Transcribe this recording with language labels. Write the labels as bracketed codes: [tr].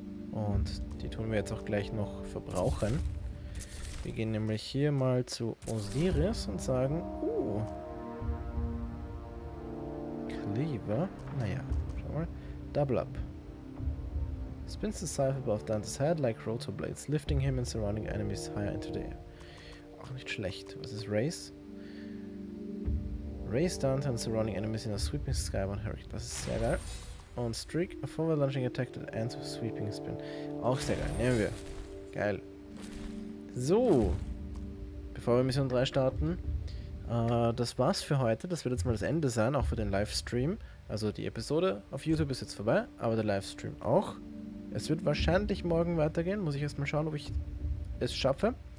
[de] Und die tun wir jetzt auch gleich noch verbrauchen. Wir gehen nämlich hier mal zu Osiris und sagen, Cleaver, naja, schau mal, double up. [en] Spins the scythe above Dante's head like rotoblades, lifting him and surrounding enemies higher into the air. [de] Auch nicht schlecht. Was ist Raise? [en] Raise Dante and surrounding enemies in a sweeping skybound hurricane. [de] Das ist sehr geil. [en] Und Streak, a forward launching attack that ends with sweeping spin. [de] Auch sehr geil, nehmen wir. Geil. So. Bevor wir Mission 3 starten, das war's für heute. Das wird jetzt mal das Ende sein, auch für den Livestream. Also die Episode auf YouTube ist jetzt vorbei, aber der Livestream auch. Es wird wahrscheinlich morgen weitergehen. Muss ich erstmal schauen, ob ich es schaffe.